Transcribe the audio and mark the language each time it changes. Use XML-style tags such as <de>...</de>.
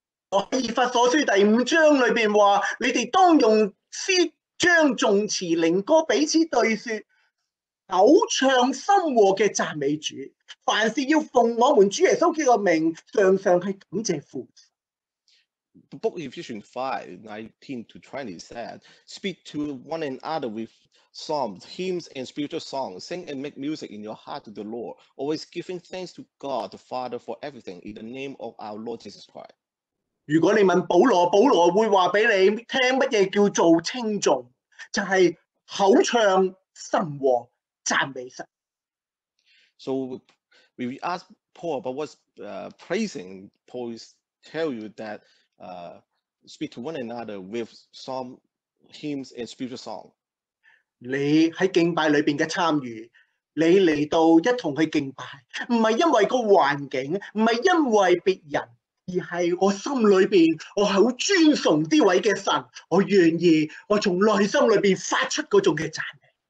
<yue>我以弗所书第五章里边话：你哋当用诗章、颂词、灵歌彼此对说，口唱心和嘅赞美主。凡事要奉我们主耶稣基督嘅名，常常系感谢父。</yue> <en>The book of Ephesians 5:19-20 said, "Speak to one another with psalms, hymns, and spiritual songs. Sing and make music in your heart to the Lord, always giving thanks to God the Father for everything in the name of our Lord Jesus Christ."</en> <yue>如果你问保罗，保罗会话俾你听乜嘢叫做称颂，就系口唱心和赞美神。</yue> <en>So when we ask Paul about what's praising, Paul tell you that. Speak to one another with psalm, hymns, and spiritual song.</en> <yue>你喺敬拜里边嘅参与，你嚟到一同去敬拜，唔系因为个环境，唔系因为别人，而系我心里边，我好尊崇呢位嘅神，我愿意，我从内心里边发出嗰种嘅赞美。</yue>